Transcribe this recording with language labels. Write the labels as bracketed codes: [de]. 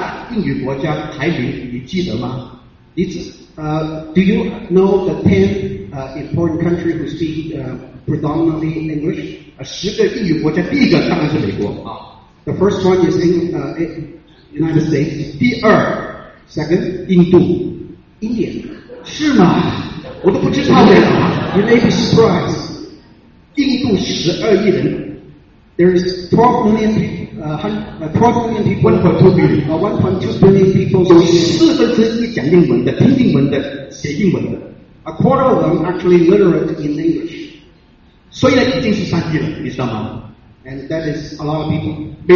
[zh] 你知道全世界英语国家来说是十大英语国家排名，你记得吗? [en] Do you know the 10 important countries who speak predominantly English? [zh] 十个英语国家，第一个当然是美国。 [en] The first one is United States. [zh] 第二, [en] second, [zh] 印度, [en] India. [zh] 是吗?我都不知道的。 [en] You may be surprised. [zh] 印度12亿人。 [en] There is 12 million people. 12 million people, 1.2 billion, [zh] 有四分之一讲英文的，听英文的，写英文的。 [en] A quarter of them actually literate in English. [zh] 所以呢，已经是三亿了，你知道吗？ [en] And that is a lot of people.